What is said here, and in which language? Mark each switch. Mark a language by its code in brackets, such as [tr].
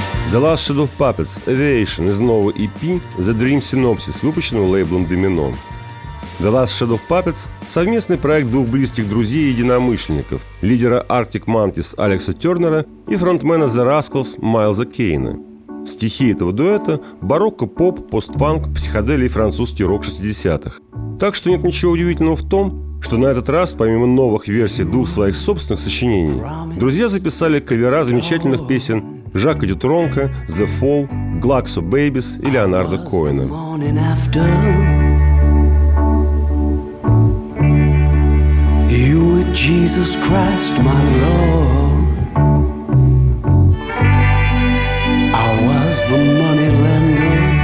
[ru] The Last Shadow of Puppets – Aviation из нового EP «The Dream Synopsis», выпущенного лейблом Domino. The Last Shadow of Puppets – совместный проект двух близких друзей и единомышленников, лидера Arctic Monkeys Алекса Тернера и фронтмена The Rascals Майлза Кейна. Стихи этого дуэта – барокко, поп, постпанк, психоделия и французский рок 60-х. Так что нет ничего удивительного в том, что на этот раз, помимо новых версий двух своих собственных сочинений, друзья записали кавера замечательных песен Жака Дютронка, The Fall, Glaxo Babies и Леонардо Коэна. [en] You were Jesus Christ, my Lord. I was the money lender.